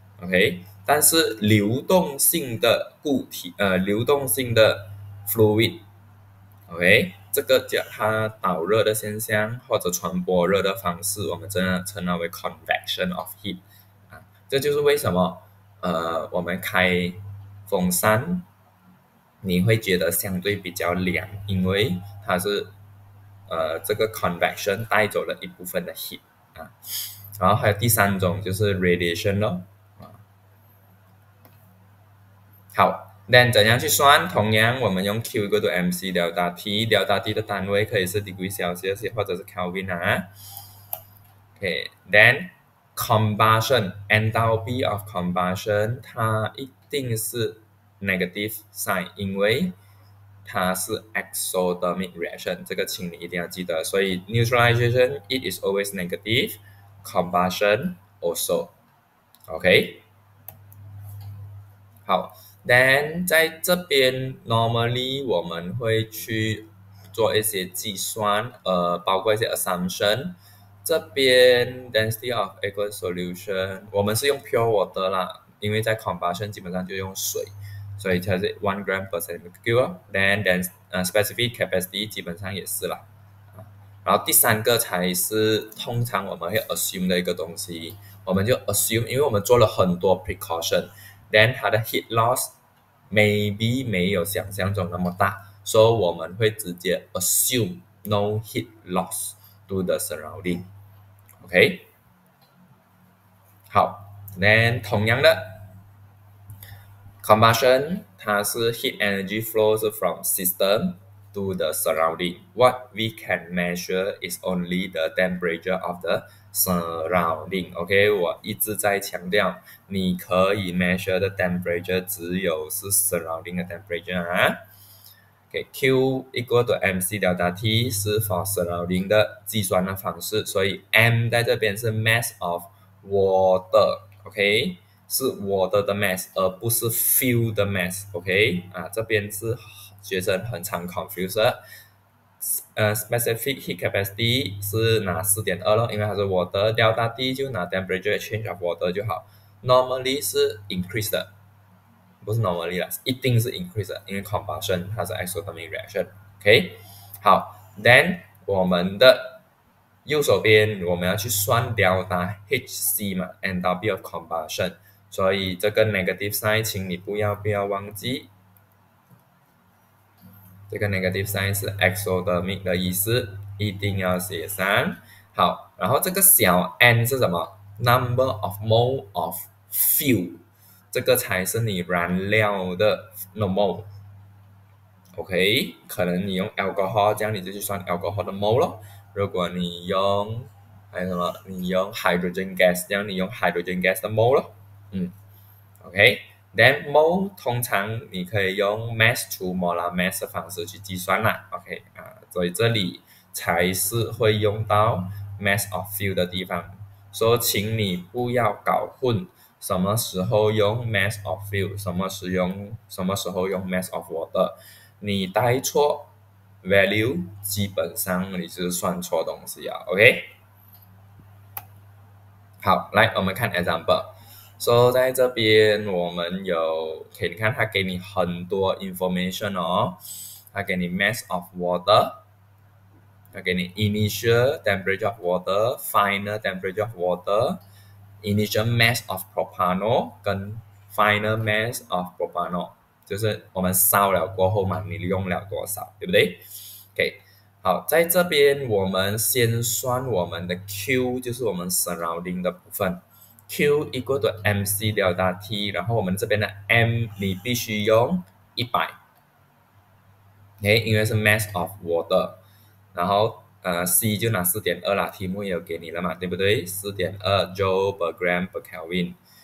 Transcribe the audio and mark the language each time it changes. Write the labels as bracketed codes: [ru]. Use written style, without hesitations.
[zh] OK， 但是流动性的固体，流动性的 fluid， OK， 这个叫它导热的现象或者传播热的方式，我们真的称它为 convection of heat 啊，这就是为什么我们开风扇你会觉得相对比较凉，因为它是这个 convection 带走了一部分的 heat 啊。然后还有第三种就是 radiation 咯。好， then 怎样去算，同样我们用 Q equal to MC delta T， delta T 的单位可以是 degree Celsius 或者是 Kelvin 啊。 OK， then combustion enthalpy of combustion 它一定是 negative sign， 因为它是 exothermic reaction， 这个请你一定要记得，所以 [en] neutralization it is always negative， combustion also。 [zh] OK， 好，Then 在这边 normally 我们会去做一些计算，包括一些 assumption。这边 density of aqueous solution 我们是用 pure water 啦，因为在 combustion 基本上就用水，所以它是 1 gram per centimeter cube。 Then specific capacity 基本上也是啦，然后第三个才是通常我们会 assume 的一个东西，我们就 assume， 因为我们做了很多 precaution，Then 它的 heat loss maybe 没有想象中那么大，所以我们会直接 [en] assume no heat loss to the surrounding。 OK， 好， then [zh] 同样的 [en] combustion [zh] 它是 [en] heat energy flows from system to the surrounding， what we can measure is only the temperature of the surrounding。 [zh] OK， 我一直在强调你可以 [en] measure the temperature [zh] 只有是 surrounding 的 temperature 啊。 OK， Q equal to MC delta T 是 for surrounding 的计算的方式，所以 M 在这边是 mass of water。 OK， 是 water 的 mass 而不是 fuel 的 mass。 OK，这边是学生很常 confuse 的。 Specific heat capacity 是拿 4.2 咯，因为它是 water， delta T 就拿 temperature change of water 就好。 normally 是 increase 的，不是 normally 啦，一定是 increase 的，因为 combustion 它是 exothermic reaction。 OK， 好， then 我们的右手边我们要去算 delta HC 嘛， enthalpy of combustion， 所以这个 negative sign 请你不要忘记，这个 negative sign 是 exothermic 的意思，一定要写上。好，然后这个小 n 是什么？ number of mole of fuel， 这个才是你燃料的 mole。 OK， 可能你用 alcohol， 这样你就去算 alcohol 的 mole 咯。如果你用还有什么，你用 hydrogen gas， 这样你用 hydrogen gas 的 mole 咯。 OK，Then mole 通常你可以用 mass to molar mass 的方式去计算啦。 OK，所以这里才是会用到 mass of fuel 的地方，所以请你不要搞混什么时候用 mass of fuel， 什么时候用 mass of water， 你带错 value 基本上你是算错东西啊。 OK， 好，来我们看 example。 So 在这边我们有，可以你看它给你很多 information 哦，它给你 mass of water， 它给你 initial temperature of water， final temperature of water， initial mass of propanol 跟 final mass of propanol， 就是我们烧了过后嘛，你用了多少，对不对？ OK， 好，在这边我们先算我们的 Q， 就是我们 surrounding 的部分，Q equal to MC delta T， 然后我们这边的 M 你必须用100， okay， 因为是 mass of water， 然后C 就拿 4.2 啦，题目也有给你了嘛，对不对？ 4.2 joule per gram per Kelvin，